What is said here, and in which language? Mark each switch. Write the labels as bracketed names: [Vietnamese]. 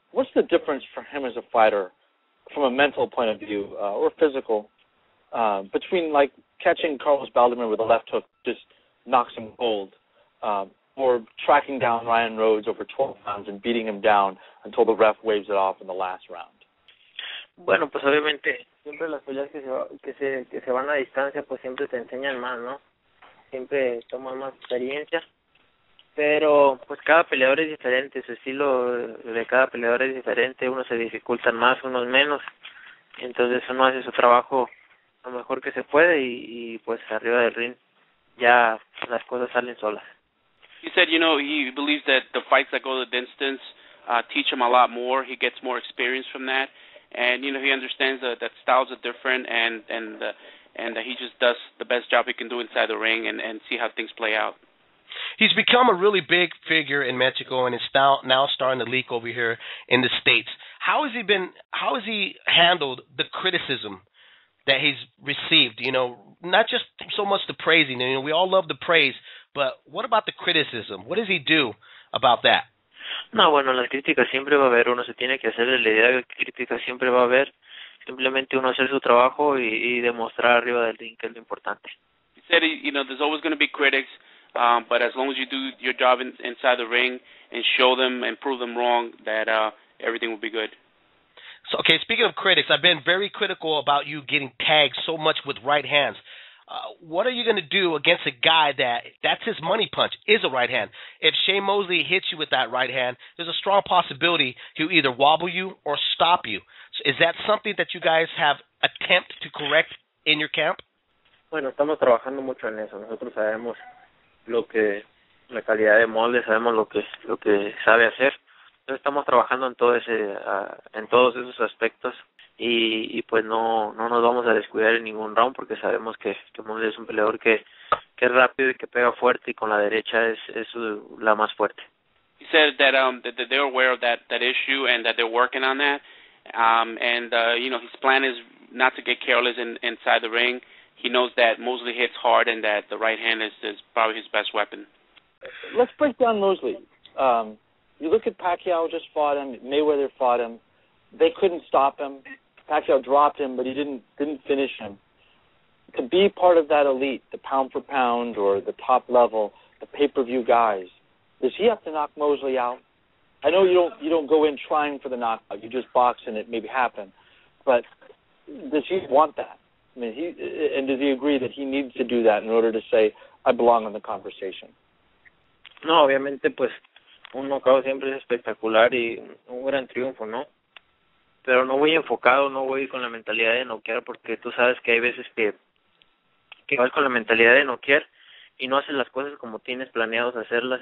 [English] What's the difference for him as a fighter, from a mental point of view or physical, between like catching Carlos Baldemir with a left hook just knocks him cold, or tracking down Ryan Rhodes over 12 rounds and beating him down until the ref waves it off in the last round? [Spanish] Bueno, pues obviamente siempre las peleas que se van a distancia pues siempre te enseñan más, ¿no? Siempre toman más experiencia. Pero pues cada peleador es diferente, su estilo de cada peleador es diferente, unos se dificultan más, unos menos. Entonces uno hace su trabajo lo mejor que se puede y pues arriba del ring ya las cosas salen solas. [English] He said, he believes that the fights that go the distance teach him a lot more. He gets more experience from that. And, he understands that styles are different and that he just does the best job he can do inside the ring and see how things play out. He's become a really big figure in Mexico and is now starting to leak over here in the States. How has he handled the criticism that he's received? You know, not just so much the praising. You know, we all love the praise, but what about the criticism? What does he do about that? [Spanish] No, bueno, las críticas siempre va a haber. Uno se tiene que hacer la idea de críticas siempre va a haber. Simplemente uno hacer su trabajo y demostrar arriba del ring que es lo importante. [English] He said, you know, there's always going to be critics, but as long as you do your job inside the ring and show them and prove them wrong, that everything will be good. So, okay, speaking of critics, I've been very critical about you getting tagged so much with right hands. What are you going to do against a guy that's his money punch, is a right hand? If Shane Mosley hits you with that right hand, there's a strong possibility he'll either wobble you or stop you. So is that something that you guys have attempted to correct in your camp? [Spanish] Bueno, estamos trabajando mucho en eso. Nosotros sabemos lo que la calidad de Mosley, sabemos lo que sabe hacer. Entonces estamos trabajando en todo ese en todos esos aspectos. Y pues no nos vamos a descuidar en ningún round porque sabemos que Mosley es un peleador que es rápido y que pega fuerte y con la derecha es la más fuerte. [English] He said that that they're aware of that issue and that they're working on that. You know, his plan is not to get careless inside the ring. He knows that Mosley hits hard and that the right hand is probably his best weapon. Let's break down Mosley. You look at Pacquiao just fought him, Mayweather fought him. They couldn't stop him. Pacquiao dropped him, but he didn't finish him. To be part of that elite, the pound for pound or the top level, the pay-per-view guys, does he have to knock Mosley out? I know you don't go in trying for the knockout. You just box and it maybe happen. But does he want that? I mean, does he agree that he needs to do that in order to say, I belong in the conversation? [Spanish] No, obviamente, pues, un knockout siempre es espectacular y un gran triunfo, ¿no? Pero no voy enfocado, no voy con la mentalidad de noquear, porque tú sabes que hay veces que vas con la mentalidad de noquear y no haces las cosas como tienes planeados hacerlas.